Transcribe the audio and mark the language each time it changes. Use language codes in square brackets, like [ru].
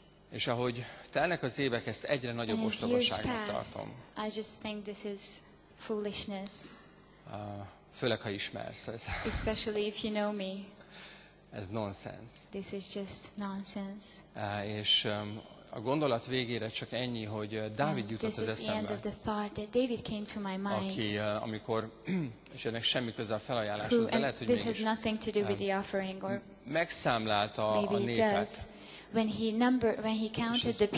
[hu] És ahogy telnek az évek, ezt egyre nagyobb ostobaságnak tartom. [en] I just think this is foolishness. [hu] Főleg, ha ismersz ez. [en] Especially if you know me. [hu] Ez nonsense. [en] This is just nonsense. [hu] És a gondolat végére csak ennyi, hogy Dávid jutott az eszembe. [en] This is the end of the thought that David came to my mind. [hu] Aki amikor, és ennek semmi köze a felajánláshoz, de lehet, hogy [en] this has nothing to do with the offering or [hu] megszámlálta a népet. [en] Maybe it does. When he counted the people.